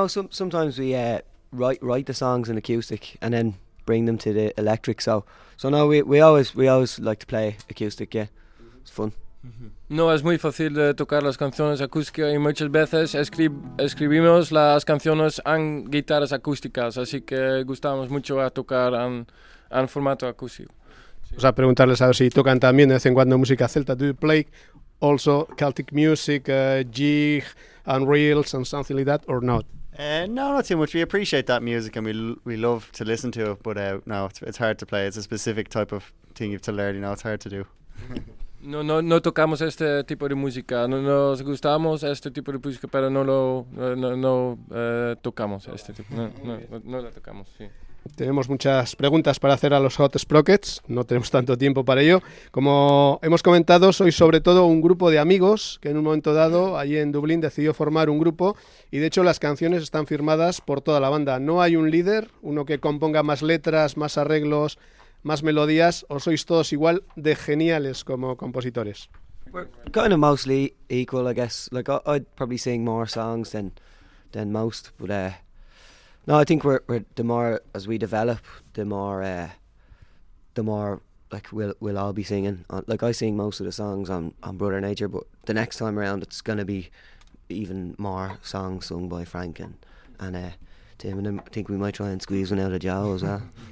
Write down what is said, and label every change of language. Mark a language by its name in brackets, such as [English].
[English] Sometimes we write the songs in acoustic and then bring them to the electric. So now we always like to play acoustic, yeah. Fun. [Spanish] No es muy fácil de tocar las canciones acústicas y muchas veces escribimos las canciones en guitarras acústicas, así que gustamos mucho a tocar en formato acústico. Sí. Vamos a preguntarles a ver si tocan también de vez en cuando música celta. [English] Do you play also Celtic music, jig and reels and something like that or not? No, not too much. We appreciate that music and we love to listen to it, but no, it's hard to play. It's a specific type of thing you have to learn. You know, it's hard to do. [Spanish] No tocamos este tipo de música. No nos gustamos este tipo de música, pero no tocamos este tipo. No la tocamos. Sí. Tenemos muchas preguntas para hacer a los Hot Sprockets. No tenemos tanto tiempo para ello. Como hemos comentado, soy sobre todo un grupo de amigos que en un momento dado allí en Dublín decidió formar un grupo y de hecho las canciones están firmadas por toda la banda. No hay un líder, uno que componga más letras, más arreglos, más melodías, o sois todos igual de geniales como compositores. [English] We're kind of mostly equal, I guess. Like I'd probably sing more songs than most, but no, I think we're the more as we develop, the more like we'll all be singing. Like I sing most of the songs on Brother Nature, but the next time around it's gonna be even more songs sung by Frank and Tim, and I think we might try and squeeze one out of Joe as well.